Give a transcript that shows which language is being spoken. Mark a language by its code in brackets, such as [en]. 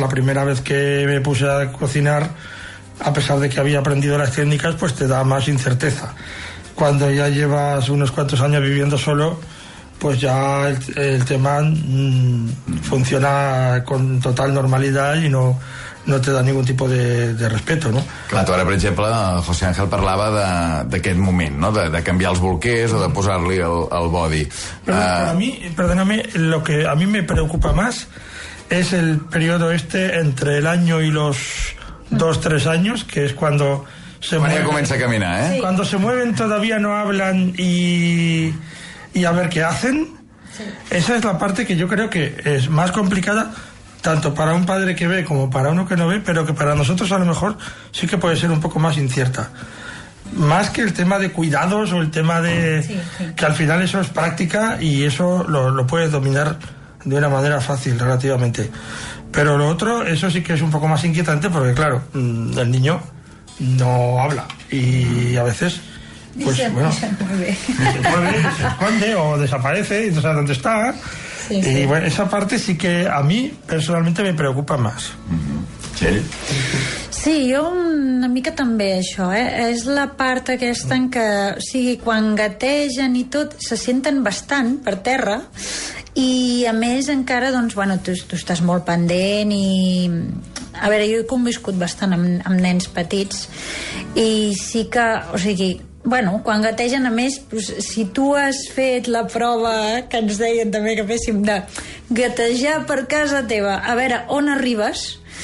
[es] La primera vez que me puse a cocinar, a pesar de que había aprendido las técnicas, pues te da más incerteza. Cuando ya llevas unos cuantos años viviendo solo, pues ya el tema funciona con total normalidad y no te da ningún tipo de respeto, ¿no? [ca] Clar, tu ara, per exemple, José Ángel parlava d'aquest moment, no? De canviar els bolquers o de posar-li el body. [es] Pero a mí, perdóname, lo que a mí me preocupa más es el periodo este entre el año y los 2-3 años, que es cuando... María comienza a caminar, ¿eh? Sí. Cuando se mueven todavía no hablan y a ver qué hacen. Sí. Esa es la parte que yo creo que es más complicada, tanto para un padre que ve como para uno que no ve, pero que para nosotros a lo mejor sí que puede ser un poco más incierta. Más que el tema de cuidados o el tema de... Sí, sí. Que al final eso es práctica y eso lo puedes dominar de una manera fácil relativamente. Pero lo otro, eso sí que es un poco más inquietante porque, claro, el niño... no habla y a veces pues se, bueno, se mueve, se esconde o desaparece y no sabe dónde está. Sí, y sí. Bueno, esa parte sí que a mí personalmente me preocupa más. [ca] Sí, jo una mica també això, eh? És la part aquesta en què, o sigui, quan gategen i tot, se senten bastant per terra i a més encara, doncs, bueno, tu estàs molt pendent i... A veure, jo he conviscut bastant amb nens petits i sí que, o sigui, bueno, quan gategen, a més, doncs, si tu has fet la prova que ens deien també que féssim de gatejar per casa teva, a veure, on arribes...